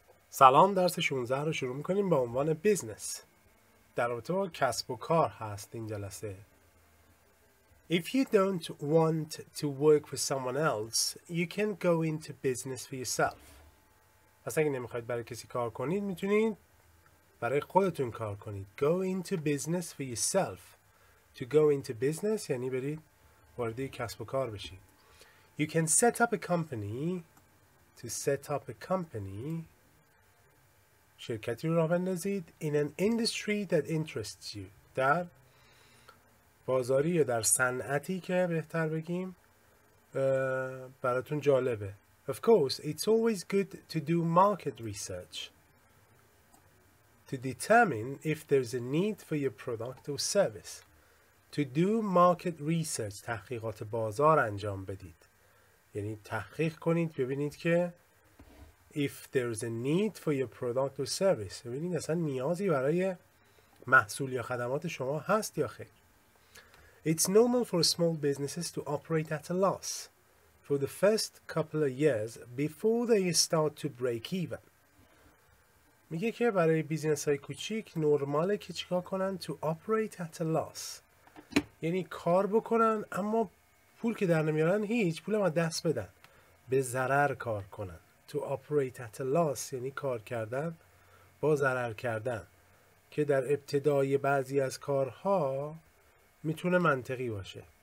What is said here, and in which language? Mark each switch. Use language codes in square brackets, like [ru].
[fa] سلام، درس 16 رو شروع میکنیم به عنوان بیزنس. در رابطه با کسب و کار هست این جلسه. [en] If you don't want to work for someone else, you can go into business for yourself. [fa] پس اگه نمیخواید برای کسی کار کنید، میتونید برای خودتون کار کنید. [en] Go into business for yourself. To go into business [fa] یعنی برید وارد کسب و کار بشید. [en] You can set up a company. To set up a company. [fa] شرکتی رو راه بندازید [en] in an industry that interests you. [fa] در بازاری یا در صنعتی که بهتر بگیم براتون جالبه. [en] Of course, it's always good to do market research to determine if there's a need for your product or service. To do market research, [fa] تحقیقات بازار انجام بدید. یعنی تحقیق کنید ببینید که [en] if there's a need for your product or service. [fa] ببینید اصلا نیازی برای محصول یا خدمات شما هست یا خیر. [en] It's normal for small businesses to operate at a loss for the first couple of years before they start to break even. [fa] میگه که برای بیزینس های کوچیک نرماله که چیکار کنن؟ [en] To operate at a loss. [fa] یعنی کار بکنن اما پول که در نمیارن هیچ، پول ما دست بدن. به ضرر کار کنن. [en] To operate at a loss [fa] یعنی کار کردن با ضرر کردن، که در ابتدای بعضی از کارها میتونه منطقی باشه.